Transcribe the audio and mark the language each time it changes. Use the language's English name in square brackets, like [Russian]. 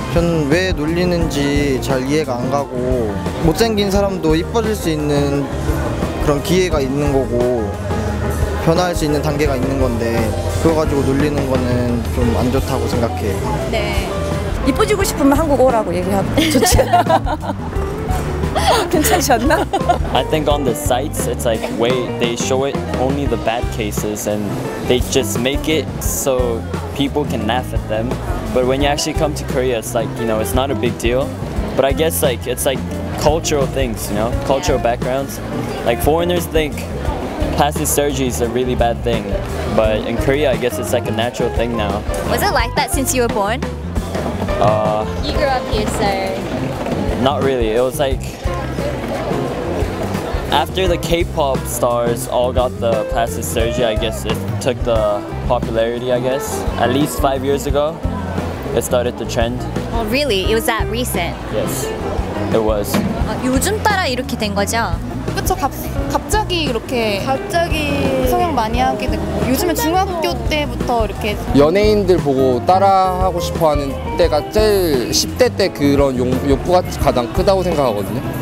[Korean] 저는 왜 놀리는지 잘 이해가 안 가고 못생긴 사람도 이뻐질 수 있는 그런 기회가 있는 거고 변화할 수 있는 단계가 있는 건데 그거 가지고 놀리는 거는 좀 안 좋다고 생각해. 네. 이뻐지고 싶으면 한국 오라고 얘기하면 좋지. 괜찮지 않나? [English] I think on the sites, it's like way they show it only the bad cases and they just make it so people can laugh at them. But when you actually come to Korea, it's like, you know, it's not a big deal. But I guess like it's like cultural things, you know, cultural backgrounds. Like foreigners think plastic surgery is a really bad thing. But in Korea, I guess it's like a natural thing now. Was it like that since you were born? You grew up here, so. Not really. It was like after the K-pop stars all got the plastic surgery, I guess it took the popularity, I guess. At least 5 years ago, it started the trend. Oh, really? It was that recent? Yes, it was. [Korean] 요즘 따라 이렇게 된 거죠? 그렇죠. 갑자기 이렇게 갑자기 성형 많이 하게 되고 요즘에 중학교 때부터 이렇게 연예인들 보고 따라하고 싶어하는 때가 제일 10대 때 그런 욕구가 가장 크다고 생각하거든요.